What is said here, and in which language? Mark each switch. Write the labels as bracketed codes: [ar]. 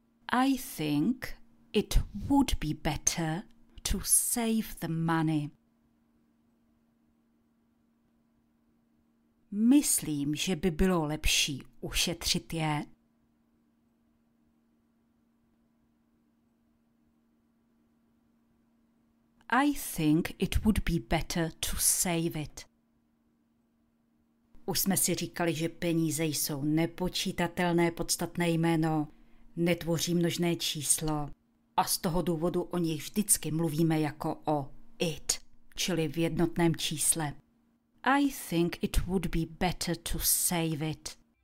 [en] I think it would be better to save the money. [cs] Myslím, že by bylo lepší ušetřit je. [en] I think it would be better to save it. [cs] Už jsme si říkali, že peníze jsou nepočítatelné podstatné jméno, netvoří množné číslo a z toho důvodu o nich vždycky mluvíme jako o it, čili v jednotném čísle. [en] I think it would be better to save it.